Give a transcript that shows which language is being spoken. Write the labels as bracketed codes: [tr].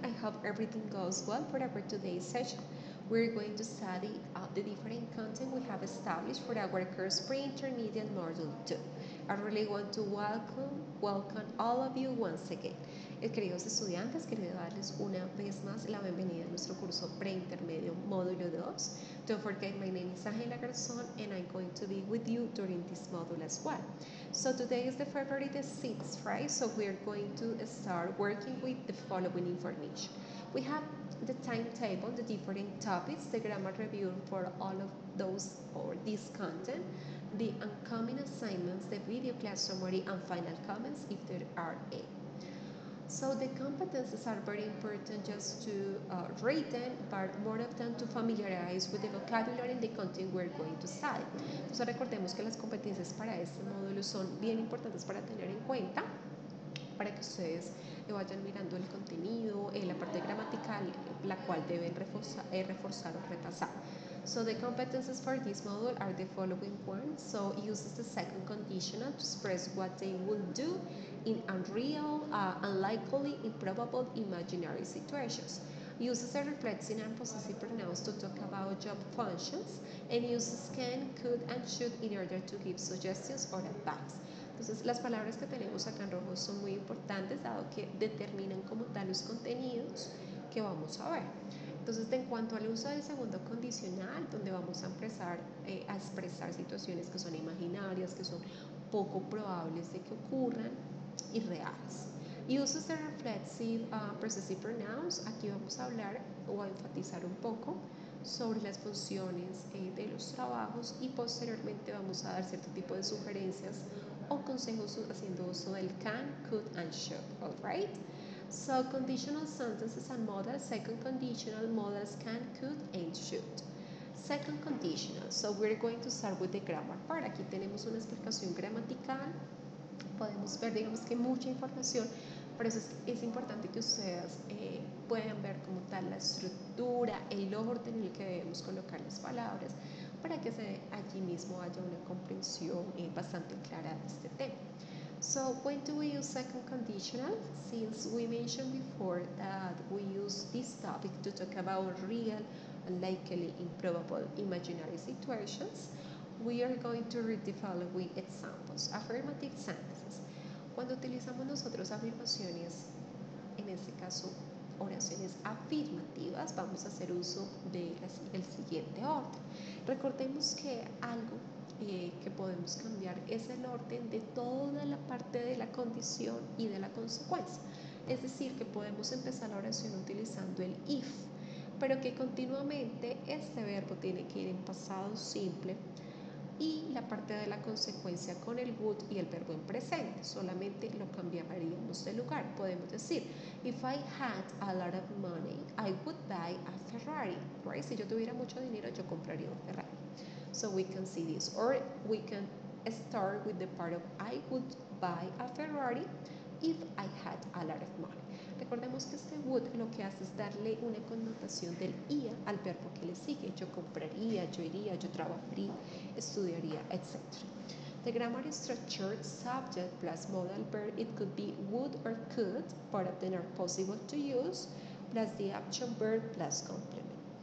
[en] I hope everything goes well for our today's session. We're going to study the different content we have established for our course pre-intermediate module 2. I really want to welcome all of you once again. [es] Queridos estudiantes, quería darles una vez más la bienvenida a nuestro curso pre-intermedio módulo 2. [en] Don't forget, my name is Angela Garzón and I'm going to be with you during this module as well. So today is the February the 6th, right? So we are going to start working with the following information. We have the timetable, the different topics, the grammar review for all of those or this content, the upcoming assignments, the video class summary, and final comments if there are any. So the competences are very important just to read them, but more of them to familiarize with the vocabulary and the content we're going to study. [es] Entonces recordemos que las competencias para este módulo son bien importantes para tener en cuenta, para que ustedes vayan mirando el contenido, la parte gramatical, la cual deben reforzar o retasar. [en] So the competences for this module are the following ones. So it uses the second conditional to express what they will do in unreal, unlikely, improbable, imaginary situations. Uses a reflexive and possessive pronouns to talk about job functions, and uses can, could, and should in order to give suggestions or advice. [es] Entonces, las palabras que tenemos acá en rojo son muy importantes dado que determinan como tal los contenidos que vamos a ver. Entonces, en cuanto al uso del segundo condicional, donde vamos a empezar a expresar situaciones que son imaginarias, que son poco probables de que ocurran, y reales. [en] Uses the reflexive possessive pronouns. [es] Aquí vamos a hablar o a enfatizar un poco sobre las funciones de los trabajos y posteriormente vamos a dar cierto tipo de sugerencias o consejos haciendo uso del [en] can, could, and should. All right? So, conditional sentences and models, second conditional models, can, could, and should. Second conditional. So, we're going to start with the grammar part. [es] Aquí tenemos una explicación gramatical. Podemos ver, digamos que mucha información, por eso es importante que ustedes puedan ver como tal la estructura, el orden en el que debemos colocar las palabras, para que allí mismo haya una comprensión bastante clara de este tema. [en] So, when do we use second conditional? Since we mentioned before that we use this topic to talk about real, unlikely, improbable, imaginary situations, we are going to read the following examples. Affirmative sentences. [es] Cuando utilizamos nosotros afirmaciones, en este caso oraciones afirmativas, vamos a hacer uso del siguiente orden. Recordemos que algo que podemos cambiar es el orden de toda la parte de la condición y de la consecuencia. Es decir, que podemos empezar la oración utilizando el if, pero que continuamente este verbo tiene que ir en pasado simple y la parte de la consecuencia con el would y el verbo en presente. Solamente lo cambiaríamos de lugar. Podemos decir, [en] if I had a lot of money, I would buy a Ferrari. Right? [es] Si yo tuviera mucho dinero, yo compraría un Ferrari. [en] So we can see this. Or we can start with the part of I would buy a Ferrari if I had a lot of money. [es] Recordemos que este would lo que hace es darle una connotación del ia al verbo que le sigue. Yo compraría, yo iría, yo trabajaría, estudiaría, etc. [en] The grammar is structured subject plus modal verb. It could be would or could, part of the not possible to use, plus the action verb plus complement.